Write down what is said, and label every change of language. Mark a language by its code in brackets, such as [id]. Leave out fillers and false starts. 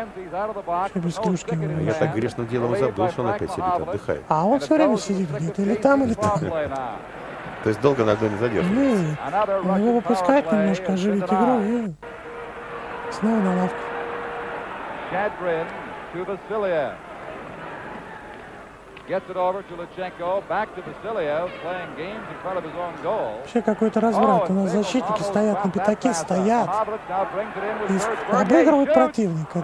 [ru] Я так грешным делом забыл, что он опять сидит, отдыхает. А он все время сидит где-то, или там, или там. То есть долго на льду не задержится. Ну, его выпускают немножко, оживить игру, и... Снова на лавку. [en] Шадрин to Vasiliev. Gets it over to Luchenko. Back to Vasiliev, playing games in front of his own goal. [ru] Вообще какой-то разврат. У нас защитники стоят на пятаке, стоят. И обыгрывают противника.